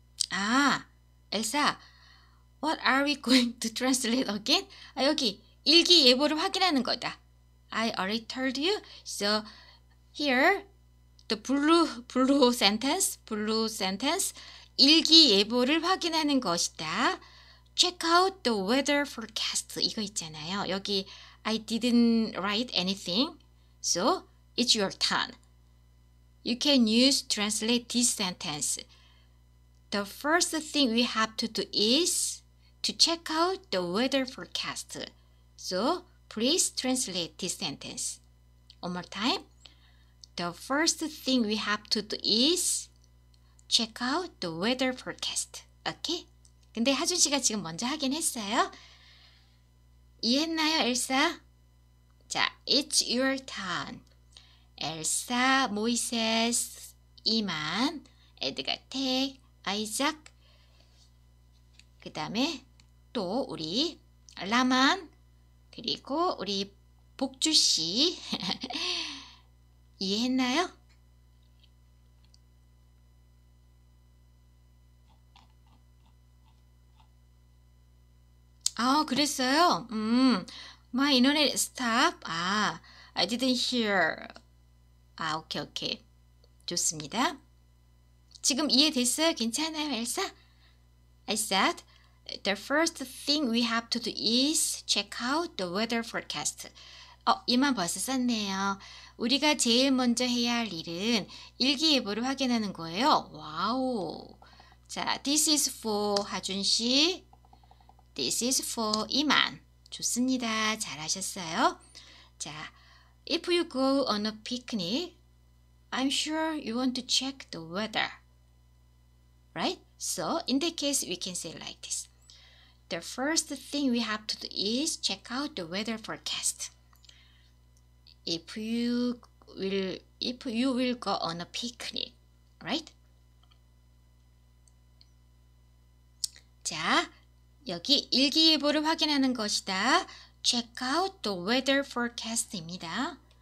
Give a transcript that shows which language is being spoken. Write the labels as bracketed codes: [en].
[en] 아, 엘사, what are we going to translate again? [ko] 아, 여기 일기 예보를 확인하는 거다. [en] I already told you. So here, the blue sentence, [ko] 일기 예보를 확인하는 것이다. [en] Check out the weather forecast. [ko] 이거 있잖아요. 여기 [en] I didn't write anything. So, it's your turn. You can use translate this sentence. The first thing we have to do is to check out the weather forecast. So, please translate this sentence. One more time. The first thing we have to do is check out the weather forecast. Okay? [ko] 근데 하준 씨가 지금 먼저 하긴 했어요. 이해했나요, 엘사? 자, [en] it's your turn. [ko] 엘사, 모이세스, 이만. 에드가 택, 아이작, 그 다음에 또 우리 라만, 그리고 우리 복주씨. 이해했나요? [en] 아, [ko] 그랬어요? [en] My internet stopped. [ko] 아, [en] I didn't hear. [ko] 아, 오케이, 오케이. 좋습니다. 지금 이해됐어요? 괜찮아요, 엘사? [en] I said, the first thing we have to do is check out the weather forecast. [ko] 어, 이만 벌써 썼네요. 우리가 제일 먼저 해야 할 일은 일기예보를 확인하는 거예요. [en] 와우. 자, this is for 하준 씨. This is for 이만. [ko] 좋습니다. 잘하셨어요. [en] 자, if you go on a picnic, I'm sure you want to check the weather. Right? So, in that case, we can say like this. The first thing we have to do is check out the weather forecast. If you will go on a picnic, right? [ko] 자, 여기 일기예보를 확인하는 것이다. [en] Check out the weather forecast입니다.